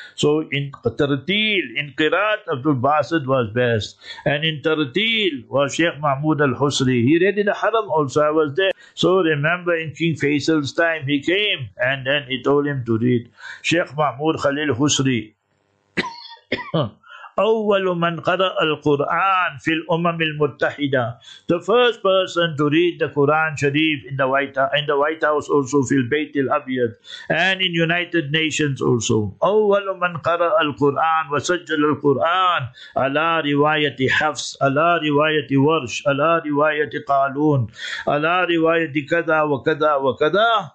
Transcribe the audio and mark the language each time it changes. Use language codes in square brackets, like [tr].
[en] So in Tartil, in Qirat, Abdul Basit was best. And in Tartil was Sheikh Mahmud Al-Husri. He read in the Haram also, I was there. So remember in King Faisal's time, he came and then he told him to read Sheikh Mahmud Khalil Husri. [ar] أول من قرأ القرآن في الأمم المتحدة. [en] The first person to read the Quran Sharif in the White House also, [ar] في البيت الأبيض, [en] and in United Nations also. [ar] أول من قرأ القرآن وسجل القرآن على رواية حفص, على رواية ورش, على رواية قالون, على رواية كذا وكذا وكذا.